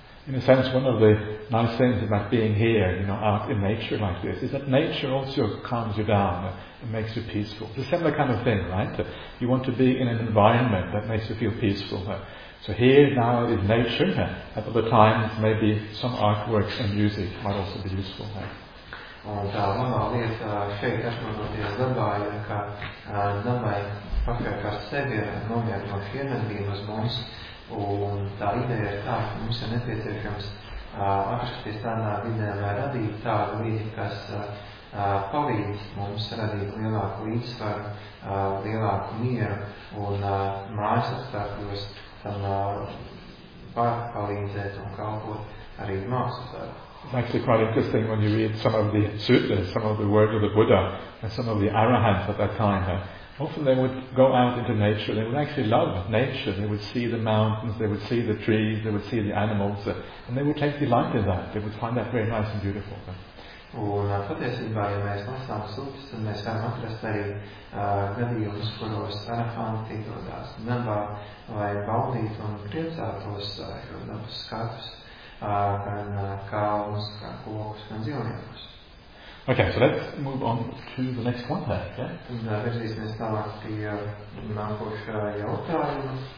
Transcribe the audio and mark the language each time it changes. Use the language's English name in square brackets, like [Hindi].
[English] In a sense, one of the nice things about being here, you know, out in nature like this, is that nature also calms you down and makes you peaceful. The same kind of thing, right? You want to be in an environment that makes you feel peaceful. So here now is nature. At other times, maybe some artworks and music might also be useful. [Latvian] Un tā labā lieta šeit atmanoties dabā ir, ka dabā pakārkās sevi ir nomiet no vienadības mums. Un tā ideja ir tā, ka mums ir nepieciešams atrasties tādā vidē, lai radītu tādu vidi, kas palīdz mums radīt lielāku līdzsvaru, lielāku mieru un mājas apstākļos tam palīdzēt un kalpot arī mākslas darbu. [English] It's actually quite interesting when you read some of the sutras, some of the words of the Buddha and some of the arahants at that time. Often they would go out into nature, they would actually love nature, they would see the mountains, they would see the trees, they would see the animals, and they would take delight in that, they would find that very nice and beautiful. [Latvian] Un patiesībā, ja mēs lasām sūtis, tad mēs varam atrast arī gadījumus, kuros arahanti dodās dabā, lai baudītu un priecātos šo dabas skatus, gan kalnus, gan kokus, gan dzīvniekus. [English] Okay, so let's move on to the next one there, okay? [Latvian] Un virzīsimies tālāk pie nākošā jautājuma.